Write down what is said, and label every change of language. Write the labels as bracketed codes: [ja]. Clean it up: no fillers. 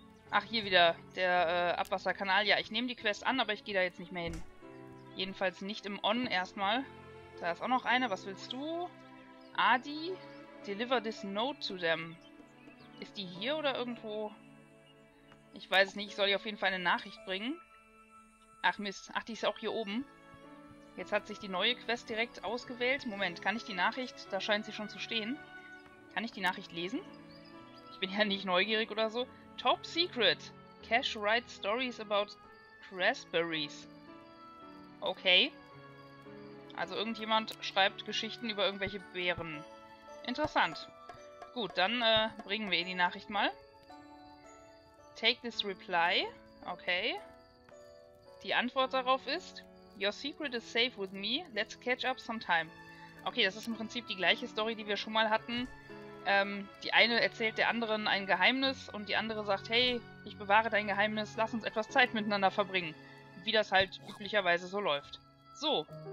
[de] Ach, hier wieder, der Abwasserkanal. Ja, ich nehme die Quest an, aber ich gehe da jetzt nicht mehr hin. Jedenfalls nicht im On erstmal. Da ist auch noch eine. Was willst du? [en] Adi, deliver this note to them. [de] Ist die hier oder irgendwo? Ich weiß es nicht. Ich soll ihr auf jeden Fall eine Nachricht bringen. Ach, Mist. Ach, die ist auch hier oben. Jetzt hat sich die neue Quest direkt ausgewählt. Moment, kann ich die Nachricht... Da scheint sie schon zu stehen. Kann ich die Nachricht lesen? Ich bin ja nicht neugierig oder so. [en] Top Secret. Cash writes stories about raspberries. Okay. [de] Also irgendjemand schreibt Geschichten über irgendwelche Beeren. Interessant. Gut, dann bringen wir ihr die Nachricht mal. [en] Take this reply. Okay. [de] Die Antwort darauf ist, [en] your secret is safe with me. Let's catch up sometime. [de] Okay, das ist im Prinzip die gleiche Story, die wir schon mal hatten. Die eine erzählt der anderen ein Geheimnis und die andere sagt, hey, ich bewahre dein Geheimnis, lass uns etwas Zeit miteinander verbringen. Wie das halt üblicherweise so läuft. So.